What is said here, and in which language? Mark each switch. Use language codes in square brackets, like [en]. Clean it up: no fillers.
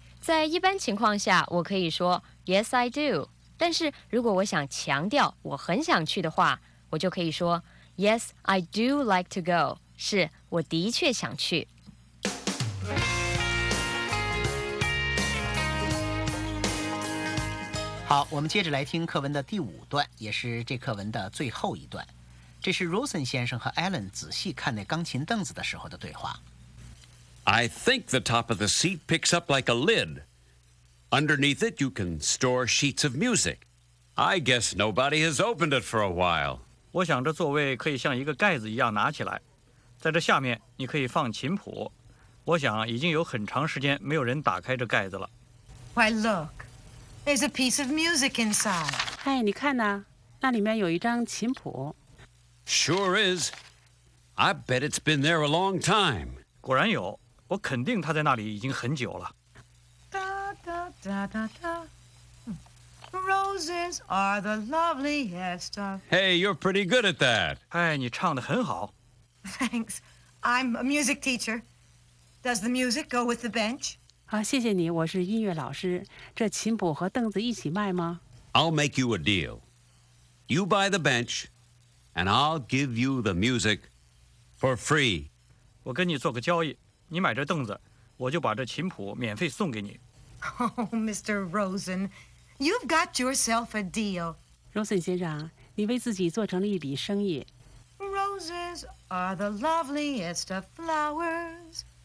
[zh] 在一般情况下我可以说 [en] Yes, I do， [zh] 但是如果我想强调我很想去的话，我就可以说 [en] Yes, I do like to go， [zh] 是我的确想去。好，我们接着来听课文的第五段，也是这课文的最后一段。这是 Rosen 先生和 Alan 仔细看那钢琴凳子的时候的对话。 [en] I think the top of the seat picks up like a lid. Underneath it, you can store sheets of music. I guess nobody has opened it for a while. [zh] 我想这座位可以像一个盖子一样拿起来，在这下面你可以放琴谱。我想已经有很长时间没有人打开这盖子了。 [en] Why look? There's a piece of music inside. [zh] 哎，你看呢？那里面有一张琴谱。 [en] Sure is. I bet it's been there a long time. [zh] 果然有。我肯定他在那里已经很久了。 [en] Roses are the loveliest of... Hey, you're pretty good at that. [zh] 哎，你唱得很好。 [en] Thanks. I'm a music teacher. Does the music go with the bench? [zh] 好，谢谢你，我是音乐老师。这琴谱和凳子一起卖吗？ [en] I'll make you a deal. You buy the bench, and I'll give you the music for free. [zh] 我跟你做个交易。你买这凳子，我就把这琴谱免费送给你。 [en] Oh, Mr. Rosen, you've got yourself a deal. [zh] Rosen 先生，你为自己做成了一笔生意。 [en] Roses are the loveliest of flowers.